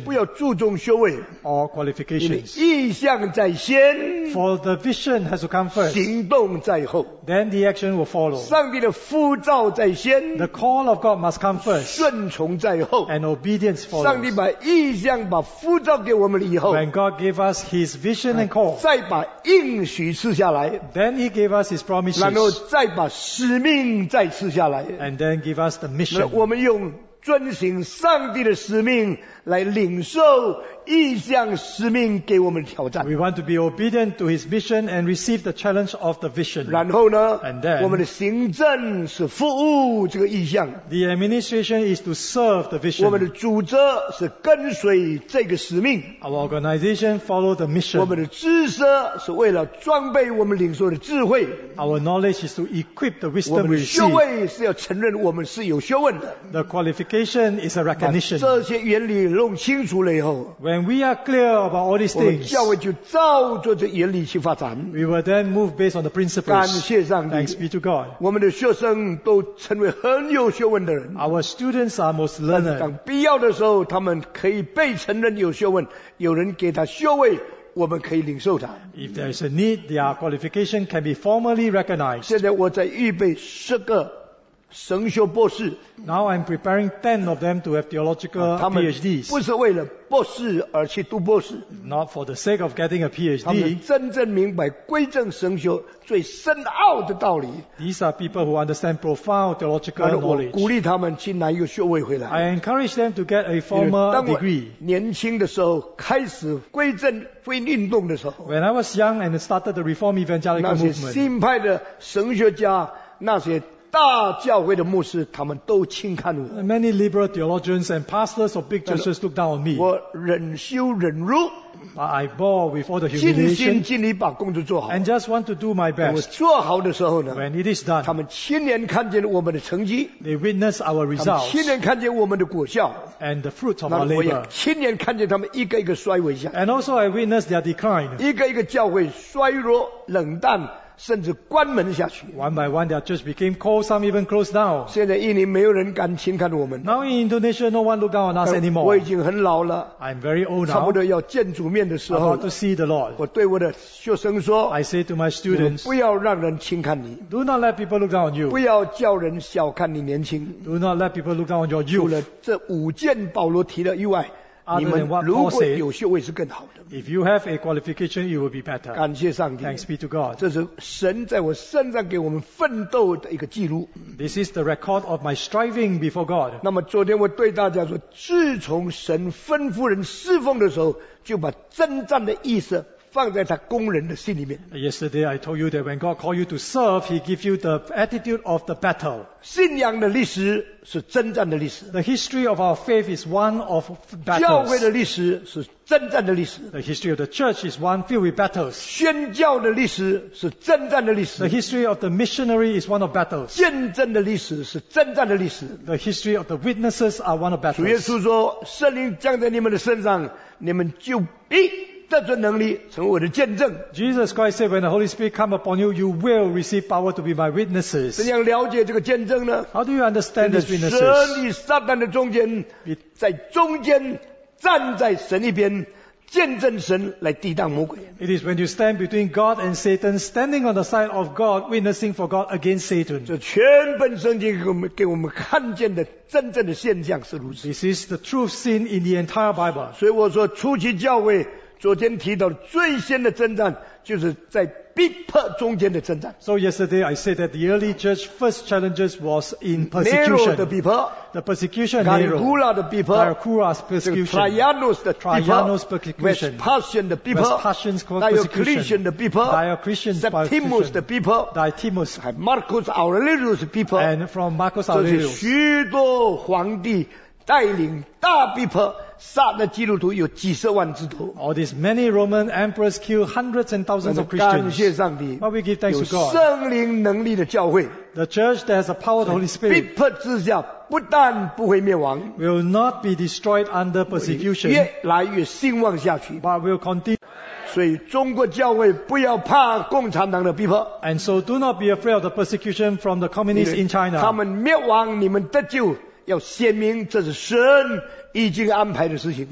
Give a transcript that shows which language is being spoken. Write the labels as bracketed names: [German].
[Chinese] 不要注重修为 [English] or qualifications. [Chinese] 意向在先 [English] ，For the vision has to come first. [Chinese] 行动在后 [English] ，Then the action will follow. [Chinese] 上帝的呼召在先 [English] ，The call of God must come first. [Chinese] 顺从在后 [English] ，And obedience follows. [Chinese] 上帝把意向把呼召给我们了以后 [English] ，When God gave us His vision and call, [Chinese] 再把应许赐下来 [English] ，Then He gave us His promises. [Chinese] 然后再把使命再赐下来 [English] ，And then give us the mission. [Chinese] 我们用遵行上帝的使命来领受意向使命给我们的挑战。 [English] We want to be obedient to His mission and receive the challenge of the vision. [Chinese] 然后呢 [English] ？And then, [Chinese] 我们的行政是服务这个意向。 [English] The administration is to serve the vision. [Chinese] 我们的组织是跟随这个使命。 [English] Our organization follows the mission. [Chinese] 我们的知识是为了装备我们领受的智慧。 [English] Our knowledge is to equip the wisdom we receive. [Chinese] 我们的修为是要承认我们是有学问的。 [English] The qualification is a recognition. [Chinese] 这些原理。弄清楚了以后 [English] When we are clear about all these things, [Chinese] 我们教会就照着这原理去发展 [English] We will then move based on the principles. [Chinese] 感谢上帝 [English] Thanks be to God. [Chinese] 我们的学生都成为很有学问的人 [English] Our students are most learned. [Chinese] 当必要的时候他们可以被承认有学问有人给他学位我们可以领受他 [English] If there is a need, their qualification can be formally recognized. [Chinese] 现在我在预备十个神学博士 [English] Now I'm preparing 10 of them to have theological PhDs. [Chinese] 不是为了博士而去读博士 [English] Not for the sake of getting a PhD. [Chinese] 他们真正明白归正神学最深奥的道理 [English] These are people who understand profound theological knowledge. [Chinese] 我鼓励他们去拿一个学位回来 [English] I encourage them to get a formal degree. [Chinese] 年轻的时候开始归正福音运动的时候 [English] When I was young and started the Reform Evangelical Movement. [Chinese] 那些新派的神学家那些大教会的牧师他们都轻看我 [English] Many liberal theologians and pastors of big churches looked down on me [Chinese] 我忍羞忍辱 [English] But I bore with all the humiliation [Chinese] 尽心尽力把工作做好 [English] And just want to do my best [Chinese] 我做好的时候呢 [English] When it is done [Chinese] 他们亲眼看见我们的成绩 [English] They witness our results [Chinese] 亲眼看见我们的果效 [English] And the fruits of our labor [Chinese] 我也亲眼看见他们一个一个衰微下 [English] And also I witness their decline [Chinese] 一个一个教会衰弱冷淡甚至关门下去。 [English] One by one, their church became cold. Some even closed down. [Chinese] 现在印尼没有人敢轻看我们。 [English] Now in Indonesia, no one look down on us anymore. [Chinese] 我已经很老了。 [English] I'm very old now. [Chinese] 差不多要见主面的时候。 [English] About to see the Lord. [Chinese] 我对我的学生说。 [English] I say to my students, [Chinese] 不要让人轻看你。 [English] Do not let people look down on you. [Chinese] 不要叫人小看你年轻。 [English] Do not let people look down on your youth. [Chinese] 除了这五件保罗提的以外。你们如果有学位是更好的。 [English] If you have a qualification, it will be better. [Chinese] 感谢上帝。 [English] Thanks be to God. [Chinese] 这是神在我身上给我们奋斗的一个记录。 [English] This is the record of my striving before God. [Chinese] 那么昨天我对大家说，自从神吩咐人侍奉的时候，就把征战的意思放在他工人的心里面。 [English] Yesterday I told you that when God called you to serve, He gives you the attitude of the battle. [Chinese] 信仰的历史是征战的历史。 [English] The history of our faith is one of battles. [Chinese] 教会的历史是征战的历史。 [English] The history of the church is one filled with battles. [Chinese] 宣教的历史是征战的历史。 [English] The history of the missionary is one of battles. [Chinese] 见证的历史是征战的历史。 [English] The history of the witnesses are one of battles. [Chinese] 主耶稣说，圣灵降在你们的身上，你们就必这尊能力成为我的见证。 [English] Jesus Christ said, "When the Holy Spirit come upon you, you will receive power to be my witnesses." [Chinese] 怎样了解这个见证呢 [English] ？How do you understand these witnesses? [Chinese] 在神与撒旦的中间，在中间站在神一边，见证神来抵挡魔鬼。 [English] It is when you stand between God and Satan, standing on the side of God, witnessing for God against Satan. [Chinese] 这全本圣经给我们看见的真正的现象是如此。 [English] This is the truth seen in the entire Bible. [Chinese] 所以我说，初期教会。昨天提到的最先的征战就是在逼迫中间的征战。 [English] So yesterday I said that the early church first challenges was in persecution. [Chinese] Nero 的逼迫。 [English] The persecution of Nero. [Chinese] Caligula 的逼迫。 [English] Caracura's persecution. [Chinese] Trajanus 的逼迫。 [English] Trajanus persecution. [Chinese] Vespasian 的逼迫。 [English] Vespasian's persecution. [Chinese] Diocletian 的逼迫。 [English] Diocletian's persecution. [Chinese] Septimus 的逼迫。 [English] Septimus. [Chinese] Marcus Aurelius 的逼迫。 [English] And from Marcus Aurelius. [Chinese] 这是许多皇帝带领大逼迫杀的基督徒有几十万之多。 [English] All these many Roman emperors killed hundreds and thousands of Christians. [Chinese] 感谢上帝。 [English] But we give thanks to God. [Chinese] 有圣灵能力的教会。 [English] The church that has the power of the Holy Spirit. [Chinese] 逼迫之下不但不会灭亡。 [English] Will not be destroyed under persecution. [Chinese] 越来越兴旺下去。 [English] But will continue. [Chinese] 所以中国教会不要怕共产党的逼迫。 [English] And so do not be afraid of the persecution from the communists in China. [Chinese] 他们灭亡，你们得救，要鲜明这是神已经安排的事情。